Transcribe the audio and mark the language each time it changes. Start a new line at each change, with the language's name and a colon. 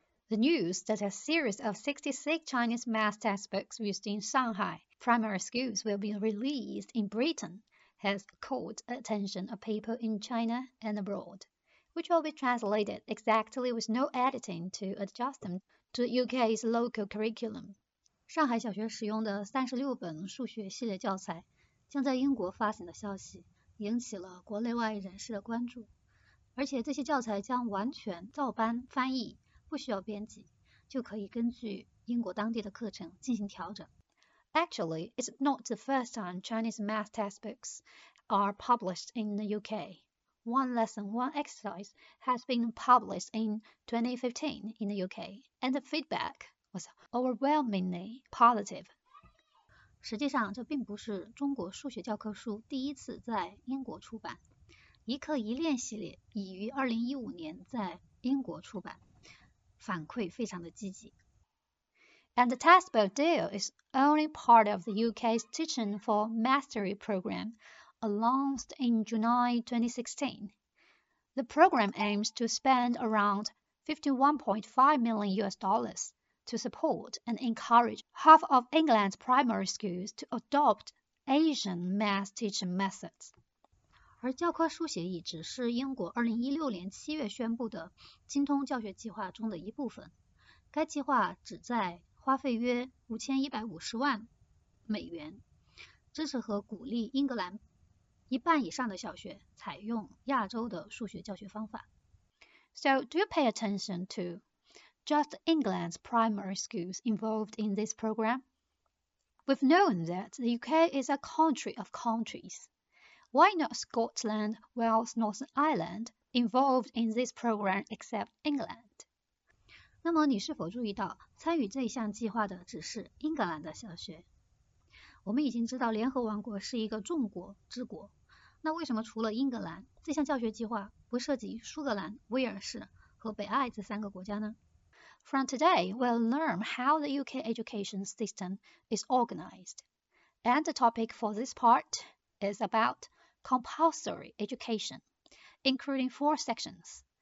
English: the news that a series of 66 Chinese math textbooks used in Shanghai primary schools will be released in Britain has caught attention of people in China and abroad, which will be translated exactly with no editing to adjust them to UK's local curriculum.
Chinese: 上海小学使用的36本数学系列教材将在英国发行的消息引起了国内外人士的关注，而且这些教材将完全照搬翻译，不需要编辑，就可以根据英国当地的课程进行调整。
English: Actually, it's not the first time Chinese math textbooks are published in the UK. One lesson, one exercise has been published in 2015 in the UK, and the feedback was overwhelmingly positive.
Chinese: 实际上，这并不是中国数学教科书第一次在英国出版。一课一练系列已于2015年在英国出版，反馈非常的积极。
English: And the textbook deal is only part of the UK's Teaching for Mastery program, announced in July 2016. The program aims to spend around $51.5 million to support and encourage half of England's primary schools to adopt Asian math teaching methods.
Chinese: 而教科书协议只是英国2016年7月宣布的精通教学计划中的一部分。该计划旨在花费约$51,500,000，支持和鼓励英格兰一半以上的小学采用亚洲的数学教学方法。
English: So, do you pay attention to just England's primary schools involved in this program? We've known that the UK is a country of countries. Why not Scotland, Wales, Northern Ireland involved in this program except England?
Chinese: 那么你是否注意到参与这项计划的只是英格兰的小学？我们已经知道联合王国是一个众国之国，那为什么除了英格兰，这项教学计划不涉及苏格兰、威尔士和北爱这三个国家呢？
English: From today, we'll learn how the UK education system is organized. And the topic for this part is about compulsory education, including four sections.